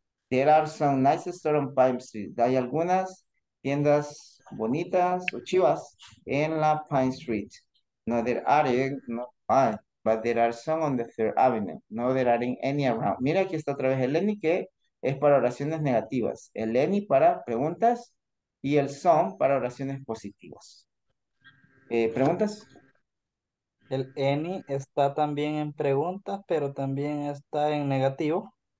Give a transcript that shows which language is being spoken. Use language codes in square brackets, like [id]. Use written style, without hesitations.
[en] There are some nice stores on Pine Street. [es] Hay algunas tiendas bonitas o chivas en la Pine Street. [en] No, there aren't, no, but there are some on the Third Avenue. No, there aren't any around. [es] Mira, aquí está otra vez el any que es para oraciones negativas. El any para preguntas y el some para oraciones positivas. ¿Preguntas? El any está también en preguntas, pero también está en negativo.